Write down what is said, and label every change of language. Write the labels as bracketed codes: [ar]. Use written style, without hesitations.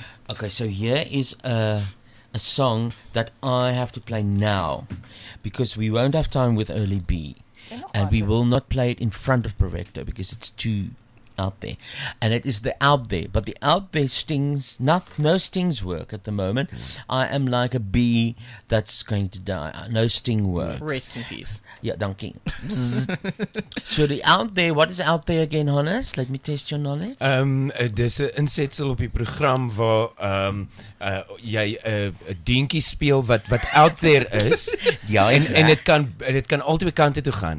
[en] Okay, so here is a song that I have to play now, because we won't have time with Early B, and we will not play it in front of Proveto because it's too out there, and it is the out there, but the out there stings. No stings work at the moment. I am like a bee that's going to die. No sting works. Rest in peace. Yeah, donkey. So the out there, what is out there again, Hannes? Let me test your knowledge. There's an [af] insetsel op die program waar jy 'n deentjie speel wat out there is. Ja, en dit kan al twee kante toe gaan.